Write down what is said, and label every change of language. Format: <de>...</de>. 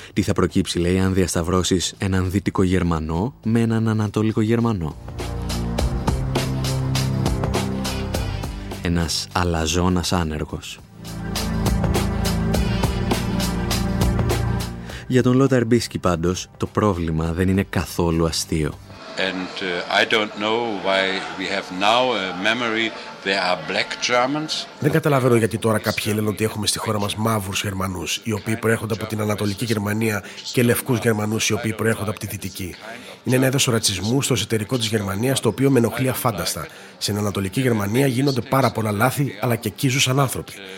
<el>Τι θα προκύψει, λέει, αν διασταυρώσεις έναν δυτικό Γερμανό με έναν ανατολικό Γερμανό. Ένας αλαζόνας άνεργος. Για τον Λόταρ Μπίσκι πάντως, το πρόβλημα δεν είναι καθόλου αστείο.</el> <en>And I don't know why we have now a memory there are black Germans.</en> <el>Δεν καταλαβαίνω γιατί τώρα κάποιοι λένε ότι έχουμε στη χώρα μας μαύρους Γερμανούς, οι οποίοι προέρχονται από την Ανατολική Γερμανία, και λευκούς Γερμανούς, οι οποίοι προέρχονται από τη Δυτική. Είναι ένα είδος ρατσισμού στο εσωτερικό της Γερμανίας, το οποίο με ενοχλεί αφάνταστα. Στην Ανατολική Γερμανία γίνονται πάρα πολλά λάθη, αλλά και εκεί ζούσαν άνθρωποι.</el>